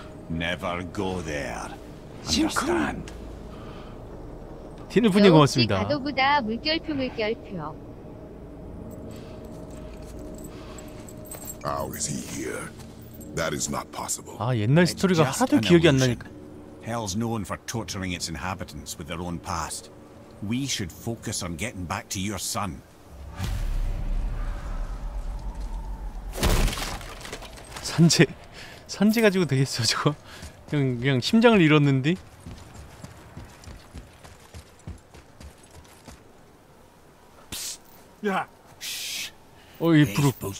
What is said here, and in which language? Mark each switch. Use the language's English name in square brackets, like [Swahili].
[English] Never go there. Understand? [Korean] 티누프님 고맙습니다. 가도구다 물결표 물결표. [English] How is he here? That is not possible. [Korean] 아, 옛날 스토리가 하도 기억이 안 나니까. [English] Hell's known for torturing its inhabitants with their own past. We should focus on getting back to your son. [Korean] 산재 가지고 되겠어 저거? 그냥 심장을 잃었는데. 야. 어이 부르.